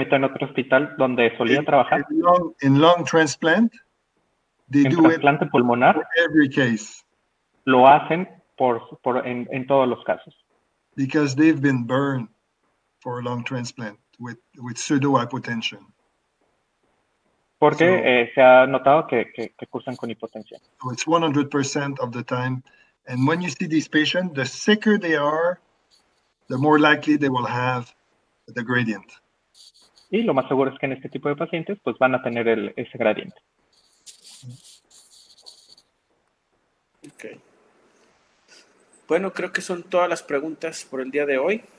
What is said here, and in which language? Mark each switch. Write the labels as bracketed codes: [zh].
[es] En otro hospital donde solía trabajar. [en] In lung transplant, they do it [es] pulmonar, [en] for every case. [es] Lo hacen en todos los casos. [en] Because they've been burned for a lung transplant. With pseudo hypotension. [es] Porque so, se ha notado que cursan con hipotensión. [en] So it's 100% of the time. And when you see these patients, the sicker they are, the more likely they will have the gradient. [es] Y lo más seguro es que en este tipo de pacientes, pues van a tener ese gradiente. [en] Okay. [es] Bueno, creo que son todas las preguntas por el día de hoy.